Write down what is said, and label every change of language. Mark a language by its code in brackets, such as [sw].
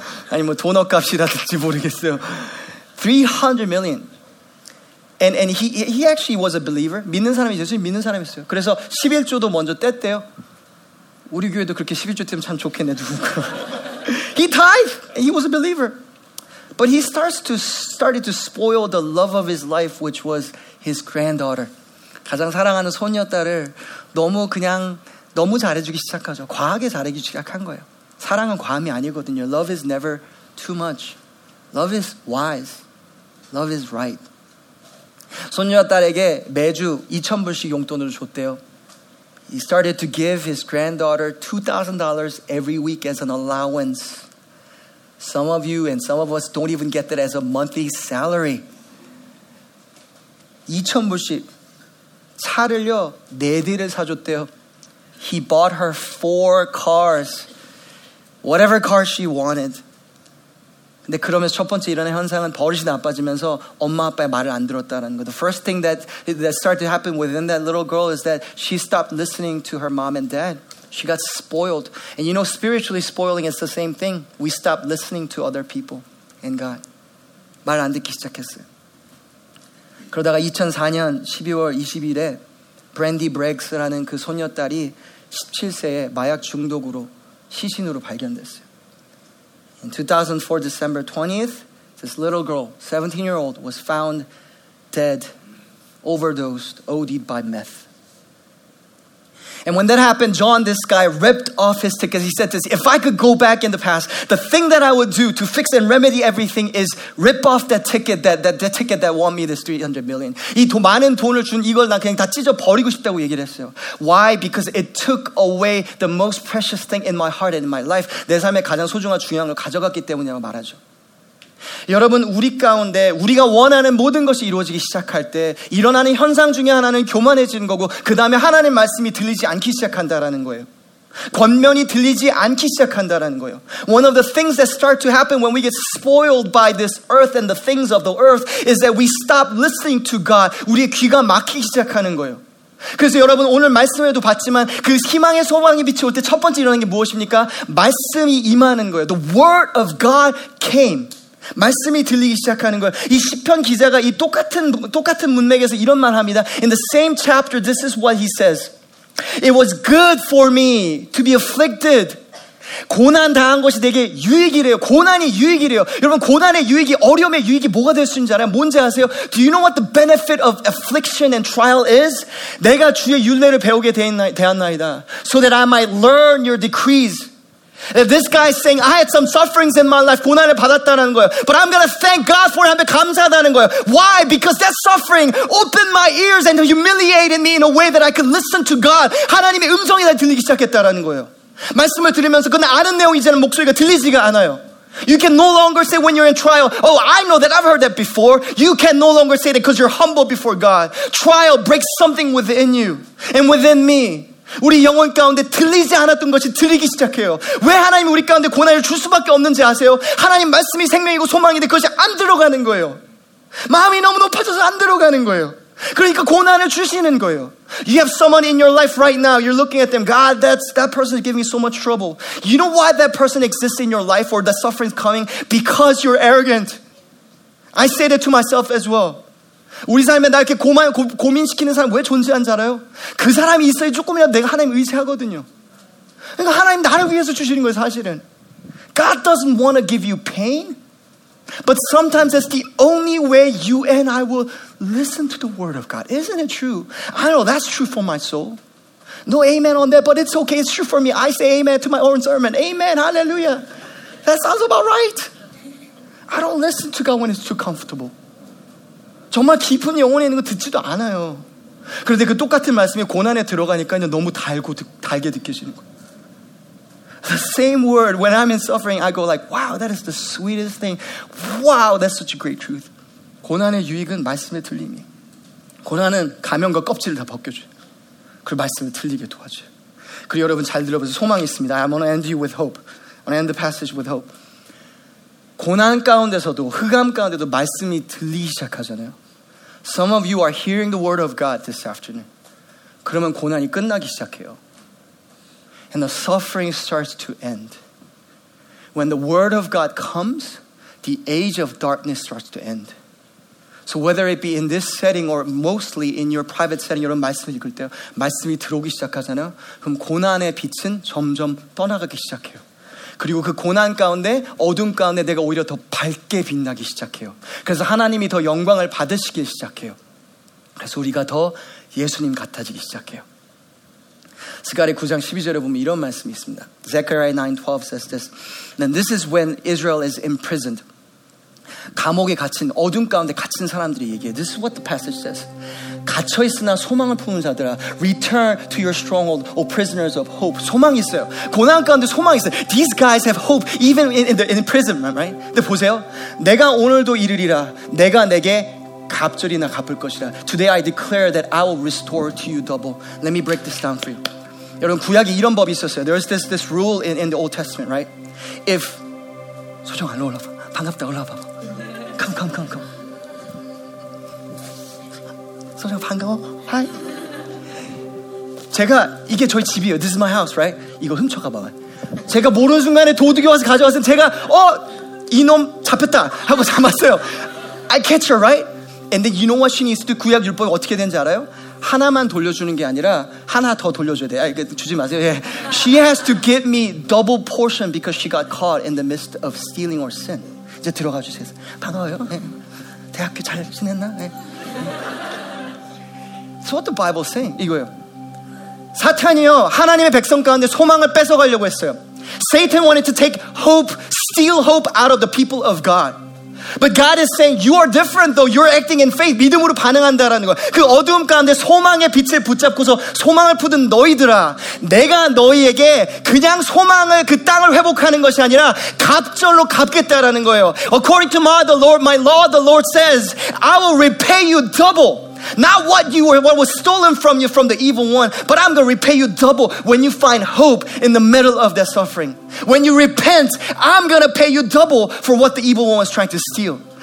[ko] 아니 뭐 돈어 값이라든지 모르겠어요. [en] 300 million. And he actually was a believer. [ko] 믿는 사람이었어요. 믿는 사람이었어요. 그래서 11조도 먼저 뗐대요. 우리 교회도 그렇게 11조 뜨면 참 좋겠네 누군가. [en] He tithed. He was a believer. But he started to spoil the love of his life, which was his granddaughter. [ko] 가장 사랑하는 손녀딸을 너무 그냥 너무 잘해주기 시작하죠. 과하게 잘해주기 시작한 거예요. 사랑은 과함이 아니거든요. [en] Love is never too much. Love is wise. Love is right. [ko] 손녀딸에게 매주 2,000불씩 용돈으로 줬대요. [en] He started to give his granddaughter $2,000 every week as an allowance. Some of you and some of us don't even get that as a monthly salary. [ko] 2,000불씩. 차를요, 네 대를 사줬대요. [en] He bought her 4 cars. Whatever car she wanted. [ko] 근데 그러면서 첫 번째 일어난 현상은 버릇이 나빠지면서 엄마 아빠의 말을 안 들었다는 거. [en] The first thing that started to happen within that little girl is that she stopped listening to her mom and dad. She got spoiled. And you know, spiritually spoiling is the same thing. We stop listening to other people and God. [ko] 말 안 듣기 시작했어요. 그러다가 2004년 12월 20일에 브랜디 브렉스라는 그 손녀딸이 17세에 마약 중독으로 시신으로 발견됐어요. [en] In 2004, December 20th, this little girl, 17-year-old, was found dead, overdosed, OD'd by meth. And when that happened, John, this guy, ripped off his ticket. He said this, if I could go back in the past, the thing that I would do to fix and remedy everything is rip off that ticket that won me this $300 million. [ko] 이 많은 돈을 준 이걸 난 그냥 다 찢어버리고 싶다고 얘기를 했어요. [en] Why? Because it took away the most precious thing in my heart and in my life. [ko] 내 삶에 가장 소중한 중요한 걸 가져갔기 때문이라고 말하죠. 여러분 우리 가운데 우리가 원하는 모든 것이 이루어지기 시작할 때 일어나는 현상 중에 하나는 교만해지는 거고 그 다음에 하나님 말씀이 들리지 않기 시작한다라는 거예요. 권면이 들리지 않기 시작한다라는 거예요. [en] One of the things that start to happen when we get spoiled by this earth and the things of the earth is that we stop listening to God. [ko] 우리의 귀가 막히기 시작하는 거예요. 그래서 여러분 오늘 말씀에도 봤지만 그 희망의 소망이 비치올 때 첫 번째 일어나는 게 무엇입니까? 말씀이 임하는 거예요. [en] The word of God came. [ko] 말씀이 들리기 시작하는 거예요. 이 시편 기자가 이 똑같은 문맥에서 이런 말 합니다. [en] In the same chapter, this is what he says. It was good for me to be afflicted. [ko] 고난 당한 것이 내게 유익이래요. 고난이 유익이래요. 여러분, 고난의 유익이, 어려움의 유익이 뭐가 될 수 있는지 알아요? 뭔지 아세요? [en] Do you know what the benefit of affliction and trial is? [ko] 내가 주의 율례를 배우게 되었나이다. [en] So that I might learn your decrees. If this guy is saying, I had some sufferings in my life, [ko] 고난을 받았다는 거예요. [en] But I'm going to thank God for it, [ko] 감사하다는 거예요. [en] Why? Because that suffering opened my ears and humiliated me in a way that I could listen to God. [ko] 하나님의 음성이 나 들리기 시작했다는 거예요. 말씀을 들으면서, 근데 아는 내용 이제는 목소리가 들리지가 않아요. [en] You can no longer say when you're in trial, oh, I know that, I've heard that before. You can no longer say that because you're humble before God. Trial breaks something within you and within me. [ko] 우리 영혼 가운데 들리지 않았던 것이 들리기 시작해요. 왜 하나님이 우리 가운데 고난을 줄 수밖에 없는지 아세요? 하나님 말씀이 생명이고 소망인데 그것이 안 들어가는 거예요. 마음이 너무 높아져서 안 들어가는 거예요. 그러니까 고난을 주시는 거예요. [en] You have someone in your life right now. You're looking at them. God, that person is giving me so much trouble. You know why that person exists in your life or the suffering is coming? Because you're arrogant. I say that to myself as well. [ko] 우리 삶에 나 이렇게 고민시키는 사람 왜 존재한지 알아요? 그 사람이 있어야 조금이라도 내가 하나님 의지하거든요. 그러니까 하나님 나를 위해서 주시는 거예요, 사실은. [en] God doesn't want to give you pain, but sometimes that's the only way you and I will listen to the word of God. Isn't it true? I know that's true for my soul. No amen on that, but it's okay. It's true for me. I say amen to my own sermon. Amen, hallelujah. That sounds about right. I don't listen to God when it's too comfortable. [ko] 정말 깊은 영혼에 있는 거 듣지도 않아요. 그런데 그 똑같은 말씀이 고난에 들어가니까 너무 달게 느껴지는 거예요. [en] The same word, when I'm in suffering, I go like, wow, that is the sweetest thing. Wow, that's such a great truth. [ko] 고난의 유익은 말씀의 들림이. 고난은 가면과 껍질을 다 벗겨줘요. 그리고 말씀을 들리게 도와줘요. 그리고 여러분 잘 들어보세요. 소망이 있습니다. [en] I'm going to end you with hope. I'm going to end the passage with hope. [ko] 고난 가운데서도 흑암 가운데도 말씀이 들리기 시작하잖아요. [en] Some of you are hearing the word of God this afternoon. [ko] 그러면 고난이 끝나기 시작해요. [en] And the suffering starts to end. When the word of God comes, the age of darkness starts to end. So whether it be in this setting or mostly in your private setting, [ko] 여러분 말씀을 읽을 때 말씀이 들어오기 시작하잖아요. 그럼 고난의 빛은 점점 떠나가기 시작해요. 그리고 그 고난 가운데 어둠 가운데 내가 오히려 더 밝게 빛나기 시작해요. 그래서 하나님이 더 영광을 받으시기 시작해요. 그래서 우리가 더 예수님 같아지기 시작해요. 스가랴 9장 12절에 보면 이런 말씀이 있습니다. [en] Zechariah 9:12 says this. Then this is when Israel is imprisoned. [ko] 감옥에 갇힌 어둠 가운데 갇힌 사람들이 얘기해요. [en] This is what the passage says. [ko] 갇혀 있으나 소망을 품은 자들아, [en] return to your stronghold, O prisoners of hope. [ko] 소망이 있어요. 고난 가운데 소망이 있어요. [en] These guys have hope even in prison, right? [ko] 근데 보세요. 내가 오늘도 이르리라. 내가 내게 갑절이나 갚을 것이라. [en] Today I declare that I will restore to you double. Let me break this down for you. [ko] 여러분 구약에 이런 법이 있었어요. [en] There's this rule in the Old Testament, right? [ko] If 소정 안 올라와. 반갑다 올라와. Come. 소정 반가워. Hi. 제가 이게 저희 집이에요. [en] This is my house, right? [ko] 이거 훔쳐가 봐. 제가 모르는 순간에 도둑이 와서 가져왔으면 제가 이놈 잡혔다 하고 잡았어요. [en] I catch her, right? And then you know what she needs to do? [ko] 구약 율법이 어떻게 되는지 알아요? 하나만 돌려주는 게 아니라 하나 더 돌려줘야 돼. 아, 이거 주지 마세요. 예. [en] She has to give me double portion because she got caught in the midst of stealing or sin. [ko] 이제 들어가 주세요. 반가워요. 예. 대학교 잘 지냈나? 예. [en] So what the Bible say? [ko] 이거예요. 사탄이요. 하나님의 백성 가운데 소망을 뺏어가려고 했어요. [en] Satan wanted to take hope, steal hope out of the people of God. But God is saying, you are different though. You're acting in faith. [ko] 믿음으로 반응한다라는 거. 그 어두움 가운데 소망의 빛을 붙잡고서 소망을 푸던 너희들아. 내가 너희에게 그냥 소망을 그 땅을 회복하는 것이 아니라 갑절로 갚겠다라는 거예요. [en] According to my law, the Lord says, I will repay you double. Not what you were, what was stolen from you from the evil one, but I'm going to repay you double when you find hope in the middle of that suffering. When you repent, I'm going to pay you double for what the evil one was trying to steal.